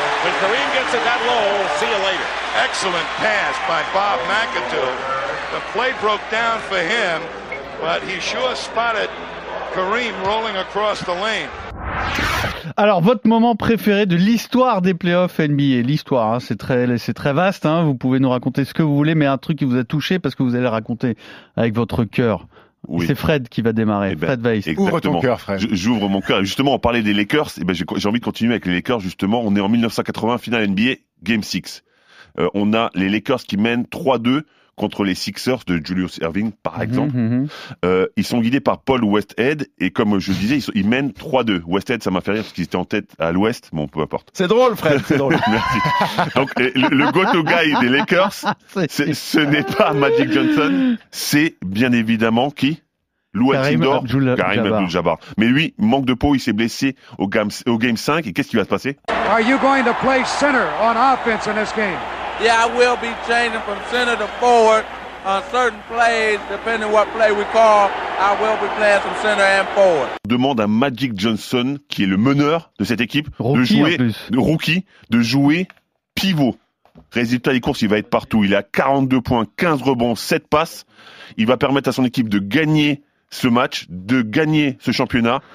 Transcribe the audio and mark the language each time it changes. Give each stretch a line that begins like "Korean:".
English: When Kareem gets it that low, see you later. Excellent pass by Bob McAdoo. The play broke down for him, but he sure spotted Kareem rolling across the lane.
French: Alors, votre moment préféré de l'histoire des playoffs NBA. L'histoire, hein, c'est très vaste. Hein. Vous pouvez nous raconter ce que vous voulez, mais un truc qui vous a touché parce que vous allez raconter avec votre cœur. Oui. C'est Fred qui va démarrer. Ben, Fred Weiss. Ouvre ton cœur, Fred. J'ouvre mon cœur. Et justement, on parlait des Lakers. Et ben, j'ai envie de continuer avec les Lakers. Justement, on est en 1980, finale NBA, Game 6. On a les Lakers qui mènent 3-2 contre les Sixers de Julius Erving, par exemple. Ils sont guidés par Paul Westhead. Et comme je le disais, ils mènent 3-2. Westhead, ça m'a fait rire parce qu'ils étaient en tête à l'ouest. Bon, peu importe. C'est drôle, Fred. C'est drôle. Merci. Donc, le go-to guy des Lakers, c'est, ce n'est pas Magic Johnson. C'est bien évidemment qui? Kareem Abdul-Jabbar. Mais lui, manque de peau, il s'est blessé au Game 5. Et qu'est-ce qui va se passer?
English: Are you going to play center on offense in this game? Yeah, I will be changing from center to forward on certain plays, depending on what play we call. I will be playing from center and forward.
French: Demande à Magic Johnson, qui est le meneur de cette équipe, de jouer pivot. Résultat des courses, il va être partout. Il a 42 points, 15 rebonds, 7 passes. Il va permettre à son équipe de gagner ce match, de gagner ce championnat.